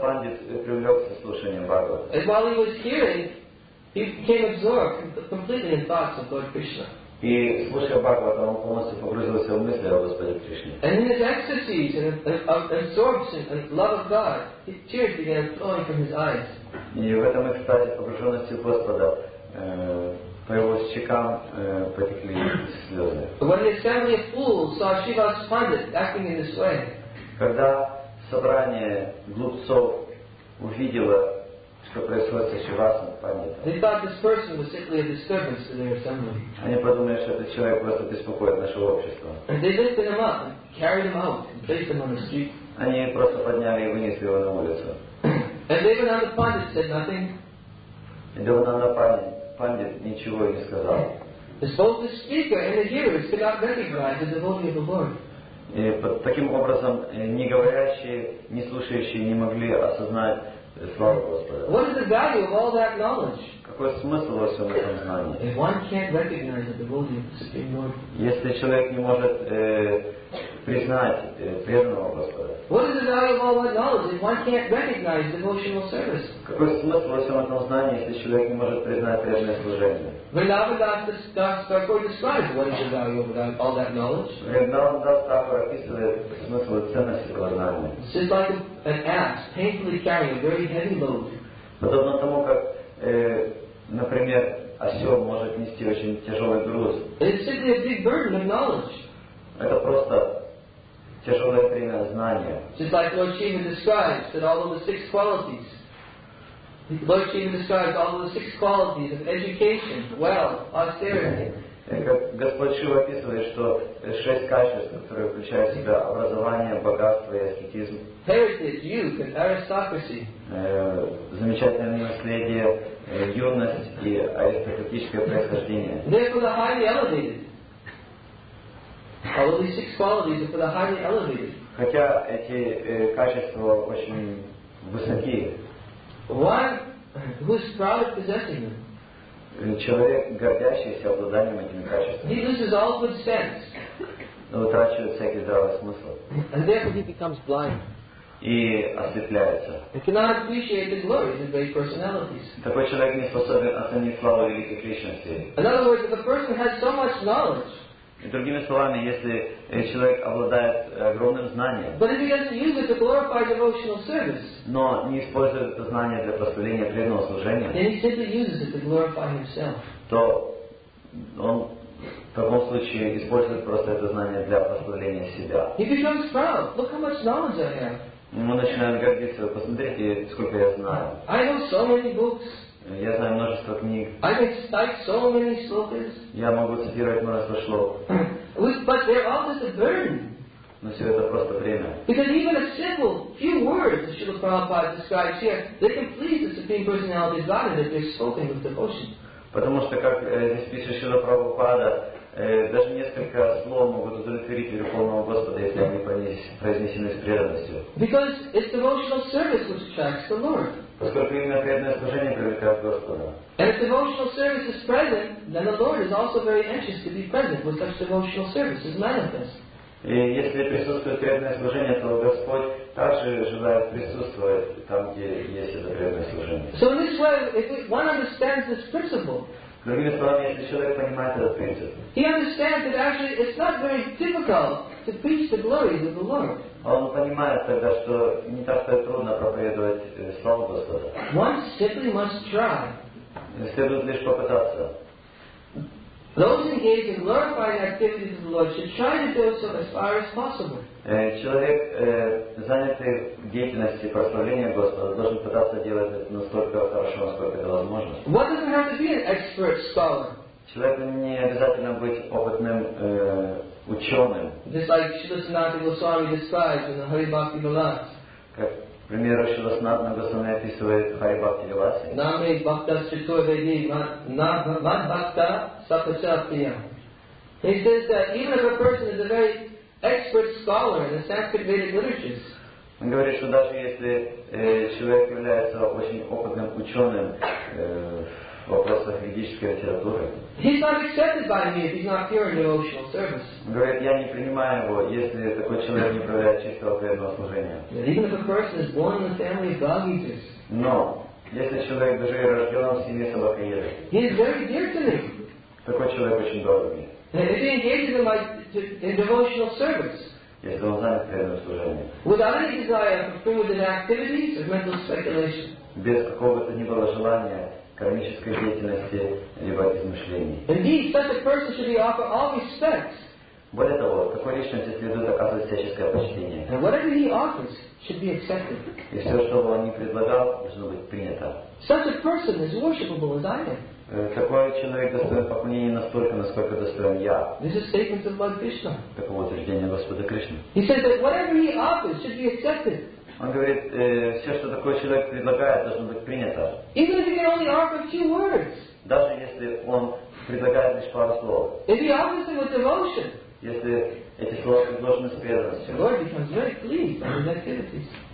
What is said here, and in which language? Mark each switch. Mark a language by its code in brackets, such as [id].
[ru] Пандит привлекся слушанием Бхагаватам. [en] And while he was hearing, he became absorbed completely in thoughts of Lord Krishna. [ru] И слушая Бхагаватам, он полностью погрузился в мысли о Господе Кришне. [en] And in his ecstasies and absorption and love of God, his tears began flowing from his eyes. [ru] И в этом экстазе погруженности Господа по его щекам потекли слезы. [en] When the assembly of fools saw Shiva's Pandit acting in this way, [ru] когда собрание глупцов увидело, что происходит с Шивасом Пандитом, [en] they thought this person was simply a disturbance to their assembly. [ru] Они подумали, что этот человек просто беспокоит наше общество. [en] And they lifted him up and carried him out and placed him on the street. [ru] Они просто подняли и вынесли его на улицу. [en] And Devananda Pandit said nothing. [ru] И Девананда Пандит ничего не сказал. [en] Both the speaker and the hearers could not recognize the devotee of the Lord. [ru] И таким образом не говорящие, не слушающие не могли осознать слава Господа. [en] What is the value of all that knowledge? [ru] Какой смысл во всем этом знании? [en] If one can't recognize the devotee of the Supreme Lord, [ru] если человек не может признать преданного Господа, [en] what is the value of all that knowledge if one can't recognize devotional service? [ru] Какой смысл во всем этом знании, если человек не может признать преданное служение? [en] Vrindavan Das Thakur describes what is the value of all that knowledge. [ru] Vrindavan Das Thakur описывает смысл и ценность этого знания. [en] It's just like an ass painfully carrying a very heavy load. [ru] Подобно тому, как, например, осел может нести очень тяжелый груз. [en] It's simply a big burden of knowledge. [ru] Это просто тяжелое бремя знания. [en] Just like Lord Shiva describes that all of the six qualities. Lord Shiva describes all of the six qualities of education, wealth, austerity. [ru] Господь Шива описывает, что шесть качеств, которые включают в себя образование, богатство и аскетизм. [en] Heritage, youth, and aristocracy. [ru] Замечательное наследие, юность и аристократическое происхождение. [en] They're for the highly elevated. All of these six qualities are for the highly elevated. [ru] Хотя эти качества очень высоки. [en] One who's proud of possessing them. [ru] Человек, гордящийся обладанием этими качествами, [en] he loses all good sense. [ru] Утрачивает всякий здравый смысл. [en] And therefore he becomes blind. [ru] и осветляется. [en] He cannot appreciate the glories of great personalities. [ru] Такой человек не способен оценить славу великих личностей. [en] In other words, if the person has so much knowledge. [ru] Другими словами, если человек обладает огромным знанием, [en] but if he doesn't use it to glorify devotional service, [ru] но не использует это знание для прославления преданного служения, [en] then he simply uses it to glorify himself. [ru] То он в таком случае использует просто это знание для прославления себя. [en] He becomes proud. Look how much knowledge I have. [ru] Мы начинаем гордиться. Посмотрите, сколько я знаю. [en] I know so many books. [ru] Я знаю множество книг. [en] I can cite so many slokas. [ru] Я могу цитировать множество шлок. [en] But they're all just a burden. [ru] Но все это просто время. [en] Because even a simple few words that Srila Prabhupada describes here, they can please the Supreme Personality of Godhead if they're spoken with devotion. [ru] Потому что, как здесь пишет Шрила Прабхупада, даже несколько слов могут удовлетворить Верховного Господа, если они произнесены с преданностью. [en] Because it's devotional service which attracts the Lord. [ru] Поскольку именно преданное служение привлекает Господа. [en] And if devotional service is present, then the Lord is also very anxious to be present with such devotional service is manifest. [ru] И если присутствует преданное служение, то Господь также желает присутствовать там, где есть это преданное служение. [en] So in this way, if one understands this principle, [ru] другими словами, если человек понимает этот принцип, [en] he understands that actually it's not very difficult to preach the glories of the Lord. [ru] Он понимает тогда, что не так-то трудно проповедовать славу Господа. [en] One simply must try. [ru] Следует лишь попытаться. [en] Those engaged in glorifying activities of the Lord should try to do so as far as possible. [ru] Человек, занятый деятельностью прославления Господа, должен пытаться делать это настолько хорошо, насколько это возможно. [en] What does it have to be an expert scholar? [ru] Человек не обязательно быть опытным ученым. [en] Just like Srila Sanatana Goswami describes in the Hari Bhakti Vilas. [ru] К примеру, Шрила Санатана Госвами описывает Хари Бхакти Виласе. [sa] Наме Бхакта Шритоведи Мад Бхакта Сапачатия. [en] He says that even if a person is a very expert scholar in the Sanskrit Vedic literatures, [ru] он говорит, что даже если человек является очень опытным ученым в вопросах ведической литературы, [en] he's not accepted by me if he's not pure in devotional service. [ru] Говорит, я не принимаю его, если такой человек не проявляет чистого преданного служения. [en] Even if a person is born in the family of dog eaters. [ru] Но если человек даже рожден в семье собакоедов, [en] he is very dear to me. [ru] Такой человек очень дорог мне. [en] If he engages in in devotional service, [ru] если он занят преданным служением, [en] without any desire for food and activities or mental speculation, [ru] без какого-то ни было желания кармической деятельности либо измышлений. [en] Indeed, such a person should be offered all respects. [ru] Более того, такой личности следует оказывать всяческое почтение. [en] And whatever he offers should be accepted. [ru] И все, что бы он ни предлагал, должно быть принято. [en] Such a person is worshipable as I am. [ru] Такой человек достоин поклонения настолько, насколько достоин я. [en] This is statements of Lord Krishna. [ru] Такого утверждения Господа Кришны. [en] He says that whatever he offers should be accepted. [ru] Он говорит, все, что такой человек предлагает, должно быть принято. [en] Even if he can only offer a few words. [ru] Даже если он предлагает лишь пару слов. [en] If he offers them with devotion. [ru] Если эти слова предложены с преданностью. [en] Lord becomes very pleased on his activities.